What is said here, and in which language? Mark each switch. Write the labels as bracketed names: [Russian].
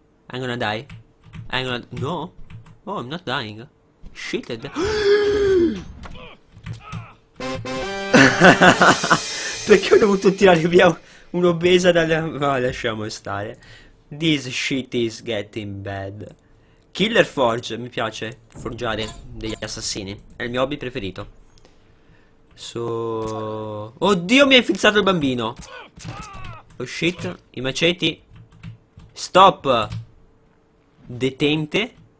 [English] I'm gonna die. No? Oh, I'm not dying. Shit, I die. [Italian] Perché ho dovuto tirare via un'obesa dalla... Ma no, lasciamo stare. [English] This shit is getting bad. [Italian] Killer Forge, mi piace forgiare degli assassini. È il mio hobby preferito. So... Oddio, mi ha infilzato il bambino. [English] Oh shit, i maceti. Stop. Detente.